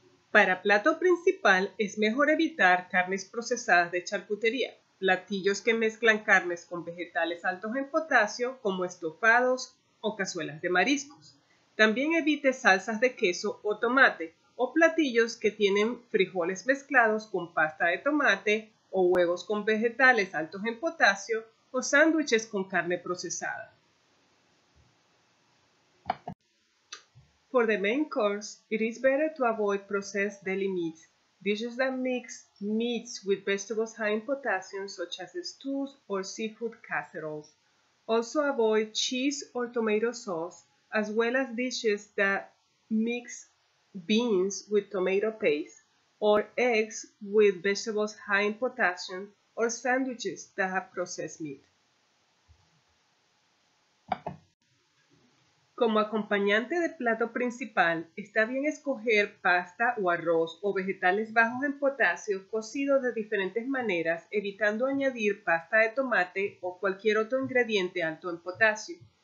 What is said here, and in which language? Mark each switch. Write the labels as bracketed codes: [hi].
[es] Para plato principal, es mejor evitar carnes procesadas de charcutería, platillos que mezclan carnes con vegetales altos en potasio, como estofados o cazuelas de mariscos. También evite salsas de queso o tomate, o platillos que tienen frijoles mezclados con pasta de tomate, o huevos con vegetales altos en potasio, o sándwiches con carne procesada. [en] For the main course, it is better to avoid processed deli meats, dishes that mix meats with vegetables high in potassium, such as stews or seafood casseroles. Also avoid cheese or tomato sauce, as well as dishes that mix beans with tomato paste, or eggs with vegetables high in potassium, or sandwiches that have processed meat. [es] Como acompañante del plato principal, está bien escoger pasta o arroz o vegetales bajos en potasio cocidos de diferentes maneras, evitando añadir pasta de tomate o cualquier otro ingrediente alto en potasio.